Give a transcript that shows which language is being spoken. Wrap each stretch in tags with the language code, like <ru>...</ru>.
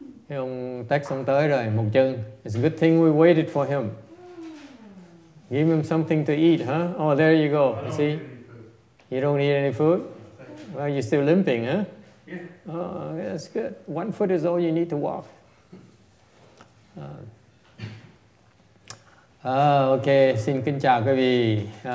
<vi>Ông Tex ông tới rồi, một chân.</vi> <en>It's a good thing we waited for him. Give him something to eat, huh? Oh, there you go. You see? You don't need any food? Well, you're still limping, huh? Yeah. Oh, yeah, that's good. One foot is all you need to walk. Okay,</en> <vi>xin kính chào quý vị.</vi>